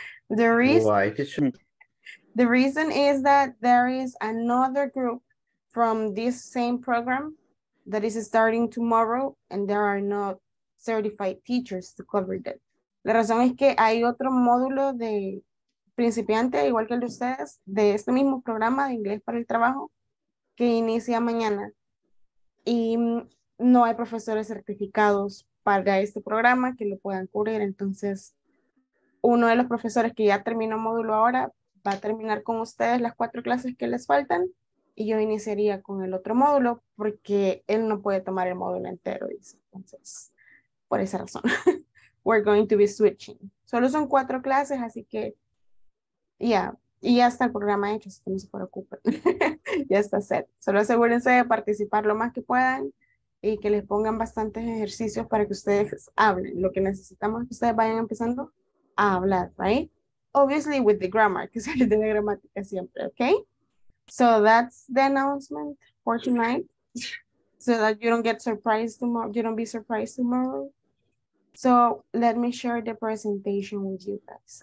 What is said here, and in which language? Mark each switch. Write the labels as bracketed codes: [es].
[en] The reason is that there is another group from this same program that is starting tomorrow and there are not certified teachers to cover that. [es] La razón es que hay otro módulo de principiante, igual que el de ustedes, de este mismo programa de inglés para el trabajo que inicia mañana. Y no hay profesores certificados para este programa que lo puedan cubrir. Entonces, uno de los profesores que ya terminó módulo ahora va a terminar con ustedes las 4 clases que les faltan y yo iniciaría con el otro módulo porque él no puede tomar el módulo entero, dice. Entonces, por esa razón, [en] we're going to be switching. [es] Solo son 4 clases, así que ya. Y ya está el programa hecho, así que no se preocupen. Ya está set. Solo asegúrense de participar lo más que puedan y que les pongan bastantes ejercicios para que ustedes hablen. Lo que necesitamos es que ustedes vayan empezando a hablar, right? [en] Obviously with the grammar, [es] que se les dé la gramática siempre, okay? [en] So that's the announcement for tonight, so that you don't get surprised tomorrow, you don't be surprised tomorrow. So let me share the presentation with you guys.